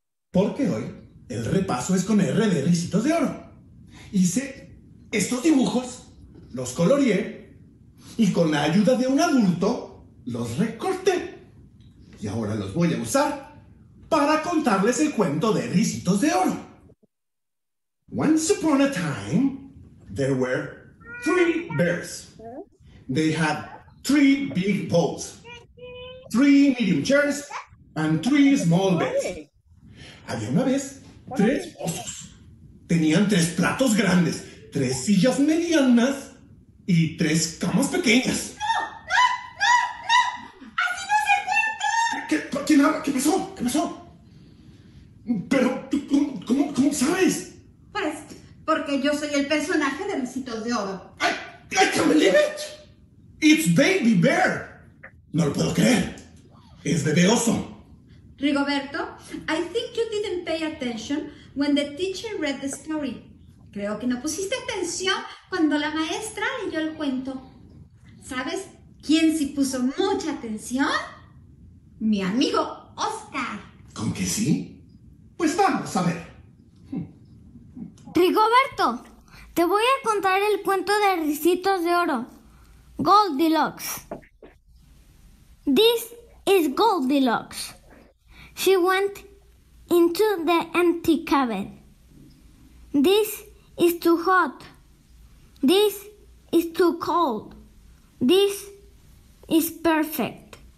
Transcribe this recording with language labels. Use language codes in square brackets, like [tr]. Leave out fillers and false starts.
[es] Porque hoy el repaso es con R de Ricitos de Oro. Hice estos dibujos, los coloreé y con la ayuda de un adulto los recorté. Y ahora los voy a usar para contarles el cuento de Ricitos de Oro. [en] Once upon a time, there were three bears. They had three big bowls, three medium chairs, and three small beds. [es] Había una vez tres osos. Tenían tres platos grandes, tres sillas medianas y tres camas pequeñas. ¡No! ¡Así no se cuenta! ¿Qué pasó? ¿Qué pasó? Pero, ¿tú cómo sabes? Pues, porque yo soy el personaje de Ricitos de Oro. [en] I can't believe it! It's Baby Bear! [es] No lo puedo creer. Es bebé oso. [en] Rigoberto, I think you didn't pay attention when the teacher read the story. [es] Creo que no pusiste atención cuando la maestra leyó el cuento. ¿Sabes quién sí puso mucha atención? Mi amigo Oscar. ¿Con qué sí? Pues vamos a ver. Rigoberto, te voy a contar el cuento de Ricitos de Oro, Goldilocks. [en] This is Goldilocks. She went into the empty cabin. This is too hot. This is too cold. This is perfect.